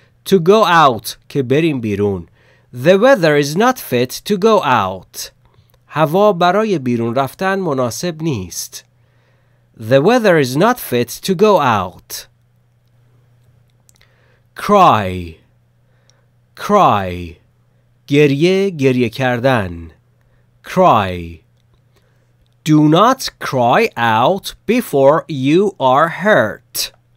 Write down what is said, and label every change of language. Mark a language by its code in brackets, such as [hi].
[en] To go out, [fa] که بریم بیرون. [en] The weather is not fit to go out. [fa] هوا برای بیرون رفتن مناسب نیست. [en] The weather is not fit to go out. Cry. [fa] گریه، گریه کردن. Cry. [en] Do not cry out before you are hurt.